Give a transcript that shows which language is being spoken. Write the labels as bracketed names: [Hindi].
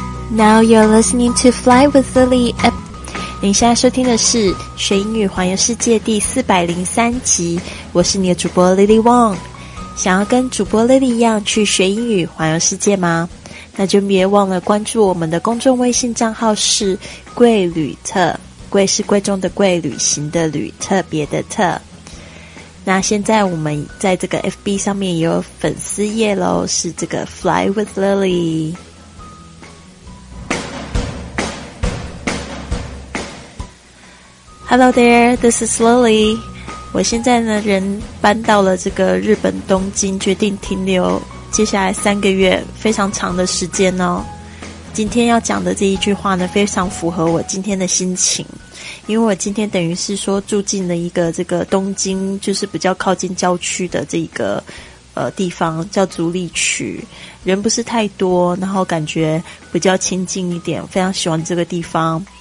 [English] Now you're listening to Fly with Lily. [Chinese] 你现在收听的是学英语环游世界第403集，我是你的主播 Lily Wong。想要跟主播 Lily 一样去学英语环游世界吗？那就别忘了关注我们的公众微信账号，是贵旅特，贵是贵重的贵，旅行的旅，特别的特。那现在我们在这个 FB 上面也有粉丝页咯，是这个 Fly with Lily。 [English] Hello there, this is Lily. [Chinese] 我现在呢人搬到了这个日本东京，决定停留接下来三个月，非常长的时间哦。今天要讲的这一句话呢非常符合我今天的心情，因为我今天等于是说住进了一个这个东京就是比较靠近郊区的这个地方，叫足利区，人不是太多，然后感觉比较清静一点，非常喜欢这个地方。